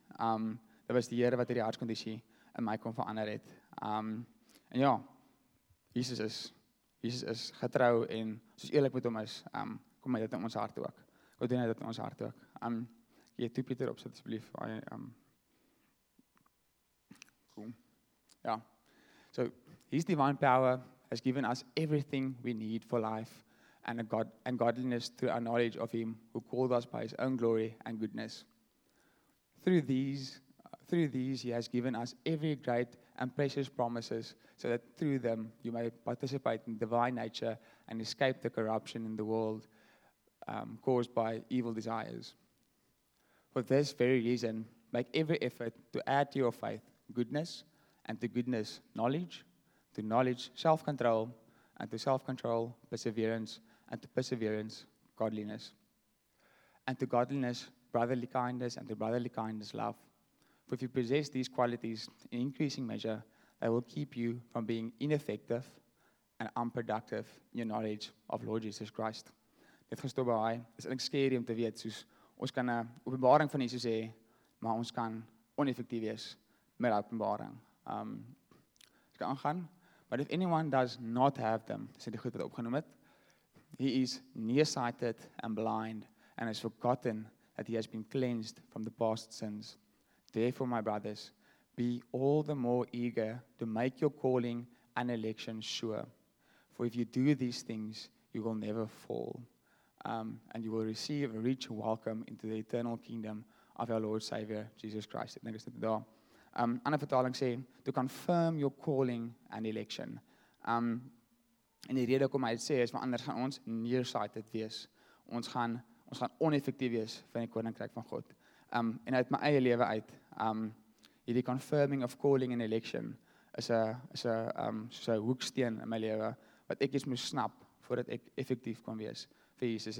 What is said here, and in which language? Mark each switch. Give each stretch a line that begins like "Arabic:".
Afrikaans: Dit was die Here wat hierdie hartskondisie in my kon verander het. En ja, Jesus is getrou en soos eerlik met hom is, kom hy dit in ons hart ook. God doen hy dit in ons hart ook. Kan jy toe Pieter opsit asseblief? Cool. Ja.
English: So, his divine power has given us everything we need for life and godliness through our knowledge of him who called us by his own glory and goodness. Through these he has given us every great and precious promises so that through them you may participate in divine nature and escape the corruption in the world caused by evil desires. For this very reason, make every effort to add to your faith goodness, and to goodness knowledge, to knowledge self-control, and to self-control perseverance, and to perseverance godliness, and to godliness brotherly kindness, and to brotherly kindness love. For if you possess these qualities in increasing measure, they will keep you from being ineffective and unproductive in your knowledge of Lord Jesus Christ.
Afrikaans: Dit gaan stop by. Dit is scary om te weet, soos ons kan 'n openbaring van Jesus hê, maar ons kan oneffektief wees met die openbaring. Ek kan aangaan.
English: But if anyone does not have them,
Afrikaans: sê die goed wat opgenoem het,
English: he is nearsighted and blind and has forgotten that he has been cleansed from the past sins. Therefore, my brothers, be all the more eager to make your calling and election sure. For if you do these things, you will never fall. And you will receive a rich welcome into the eternal kingdom of our Lord Savior, Jesus Christ.
Afrikaans: Ek dink dit is daar. Ander vertaling sê,
English: to confirm your calling and election.
Afrikaans: En die rede kom hy sê, is maar anders gaan ons nearsighted wees. Ons gaan oneffektief wees van die koninkryk van God. En uit my eie lewe uit, hierdie
English: confirming of calling and election
Afrikaans: is 'n hoeksteen in my lewe, wat ek iets moet snap voordat ek effektief kon wees vir Jesus.